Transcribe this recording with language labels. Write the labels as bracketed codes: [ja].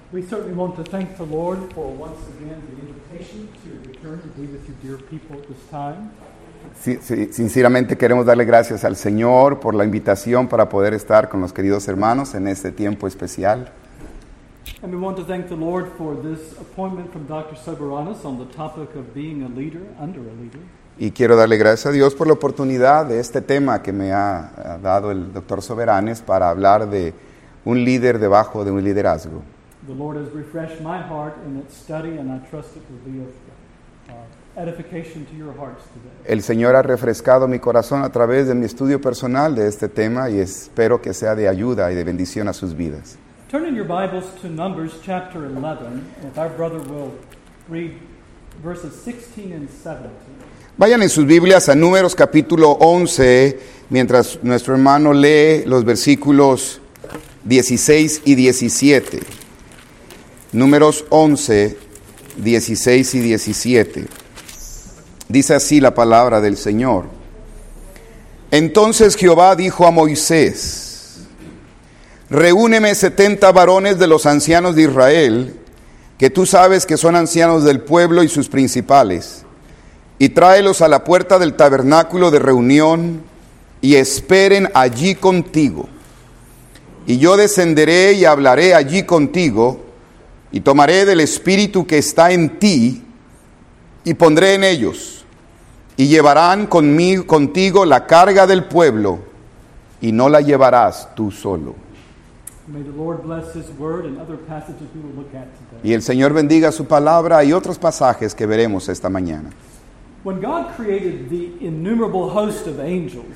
[en] We certainly want to thank the Lord for once again the invitation to return to be with your dear people at this time. [es] Sinceramente queremos darle gracias al Señor por la invitación para poder estar con los queridos hermanos en este tiempo especial. [en] And we want to thank the Lord for this appointment from Dr. Soberanos on the topic of being a leader under a leader. [es] Y quiero darle gracias a Dios por la oportunidad de este tema que me ha dado el Dr. Soberanos para hablar de un líder debajo de un liderazgo. [en] The Lord has refreshed my heart in its study, and I trust it will be of edification to your hearts today. [es] El Señor ha refrescado mi corazón a través de mi estudio personal de este tema, y espero que sea de ayuda y de bendición a sus vidas. [en] Turn in your Bibles to Numbers chapter 11, and our brother will read verses 16 and 17. [es] Vayan en sus Biblias a Números capítulo 11, mientras nuestro hermano lee los versículos 16 y 17. Números 11, 16 y 17. Dice así la palabra del Señor. Entonces Jehová dijo a Moisés: Reúneme 70 varones de los ancianos de Israel, que tú sabes que son ancianos del pueblo y sus principales, y tráelos a la puerta del tabernáculo de reunión y esperen allí contigo. Y yo descenderé y hablaré allí contigo, y tomaré del espíritu que está en ti y pondré en ellos, y llevarán conmigo, contigo la carga del pueblo, y no la llevarás tú solo. [en] May the Lord bless his word and other passages we will look at today. [es] Y el Señor bendiga su palabra y otros pasajes que veremos esta mañana. [en] When God created the innumerable host of angels,